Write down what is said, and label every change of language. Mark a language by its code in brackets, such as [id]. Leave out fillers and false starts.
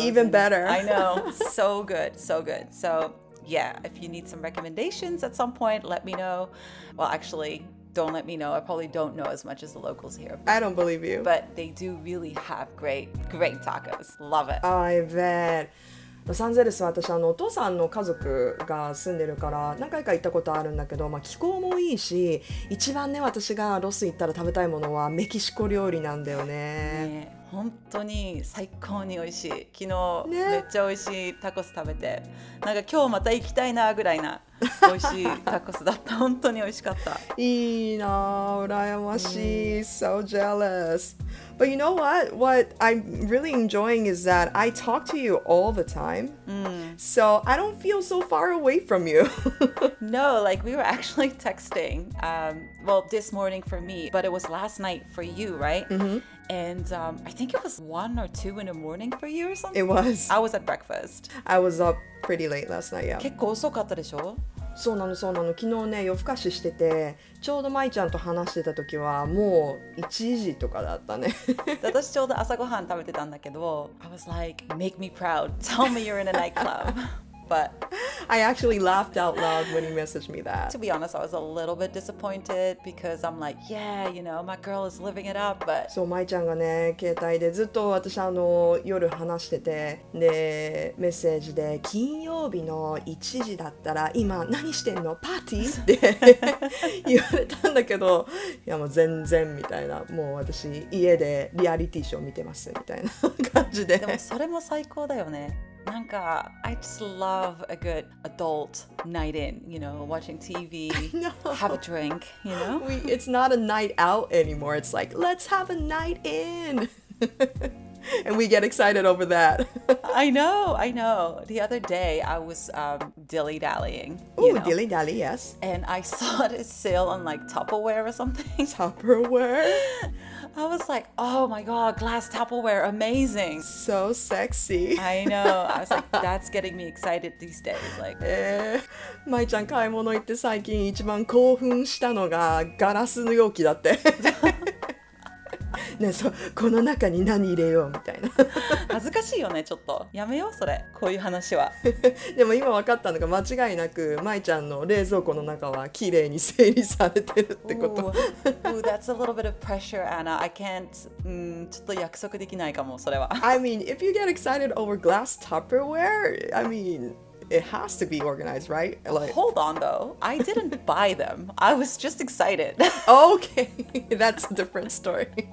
[en] Even better. I know, so good, so good. So yeah, if you need some recommendations at some point, let me know. Well, actually,Don't let me know. I probably don't know as much as the locals here. I don't believe you. But they do really have great, great tacos. Love it. I bet. [ja] ロサンゼルスは私お父さんの家族が住んでるから何回か行ったことあるんだけど、まあ、気候もいいし、一番ね、私がロス行ったら食べたいものはメキシコ料理なんだよね。本当に最高に美味しい。昨日、ね、めっちゃ美味しいタコス食べて、なんか今日また行きたいなぐらいな美味しいタコスだった。本当に美味しかった。いいな、羨ましい。 [en] So jealous. But you know what? What I'm really enjoying is that I talk to you all the time. So I don't feel so far away from you. No, like we were actually texting, well, this morning for me, but it was last night for you, right? Mm-hmm. And I think it was 1 or 2 in the morning for you or something? It was. I was at breakfast. I was up pretty late last night, yeah. [ja] 結構遅かったでしょ？そうなのそうなの。昨日ね、夜更かししてて、ちょうどまいちゃんと話してた時はもう1時とかだったね。私ちょうど朝ごはん食べてたんだけど、 [en] I was like, make me proud. Tell me you're in a nightclub. But I actually laughed out loud when he messaged me that. To be honest, I was a little bit disappointed because I'm like, yeah, you know, my girl is living it up, but... [ja] そう、まいちゃんがね、携帯でずっと私夜話してて、で、メッセージで、金曜日の1時だったら、今何してんの？パーティー？って言われたんだけど、いやもう全然みたいな、もう私家でリアリティショー見てますみたいな感じで。でもそれも最高だよね。 [en] なんか I just love a good adult night in, you know, watching TV, have a drink, you know? It's not a night out anymore. It's like, let's have a night in. And we get excited over that. I know, I know. The other day I was dilly-dallying. Ooh, you know? Dilly-dally, yes. And I saw this sale on like Tupperware or something. Tupperware? I was like, oh my god, glass Tupperware, amazing. So sexy. I know. I was like, that's getting me excited these days. Like, [ja] Mai ちゃん買い物行って最近一番興奮したのがガラスの容器だって。ね、そこの中に何入れようみたいな恥ずかしいよね、ちょっとやめようそれ、こういう話はでも今分かったのが、間違いなくまいちゃんの冷蔵庫の中は綺麗に整理されてるってこと。 [en] Ooh, that's a little bit of pressure, Anna. I can't、 [ja] ちょっと約束できないかもそれは。 [en] I mean, if you get excited over glass Tupperware, I meanIt has to be organized, right? Like... Hold on, though. I didn't buy them. I was just excited. Okay. That's a different story.